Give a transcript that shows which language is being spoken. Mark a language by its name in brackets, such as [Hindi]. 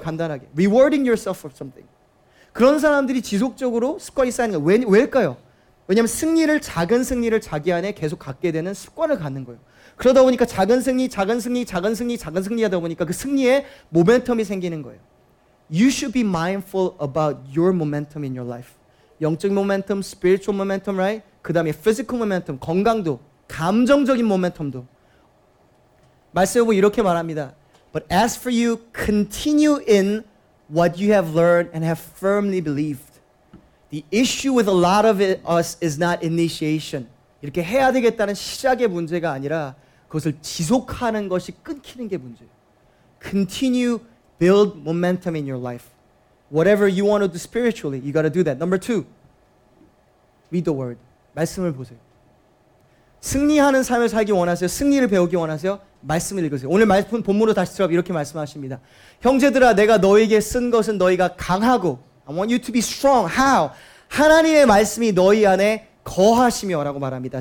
[Korean] 간단하게. [English] Rewarding yourself for something. [Korean] 그런 사람들이 지속적으로 습관이 쌓이는 거예요. 왜일까요? 왜냐하면 승리를, 작은 승리를 자기 안에 계속 갖게 되는 습관을 갖는 거예요. 그러다 보니까 작은 승리, 작은 승리, 작은 승리, 작은 승리 하다 보니까 그 승리에 모멘텀이 생기는 거예요. [English] You should be mindful about your momentum in your life. [Korean] 영적 모멘텀, [English] spiritual momentum, right? [Korean] 그 다음에 [English] physical momentum, [Korean] 건강도, 감정적인 모멘텀도. 말씀을 보면 이렇게 말합니다. [English] But as for you, continue in what you have learned and have firmly believed. The issue with a lot of us is not initiation. [Korean] 이렇게 해야 되겠다는 시작의 문제가 아니라 그것을 지속하는 것이 끊기는 게 문제예요. [English] Continue, build momentum in your life. Whatever you want to do spiritually, you got to do that. Number two, read the word. [Korean] 말씀을 보세요. 승리하는 삶을 살기 원하세요? 승리를 배우기 원하세요? 말씀을 읽으세요. 오늘 말씀 본문으로 다시 들어가 이렇게 말씀하십니다. 형제들아, 내가 너에게 쓴 것은 너희가 강하고, [English] I want you to be strong. How? [Korean] 하나님의 말씀이 너희 안에 거하시며라고 말합니다.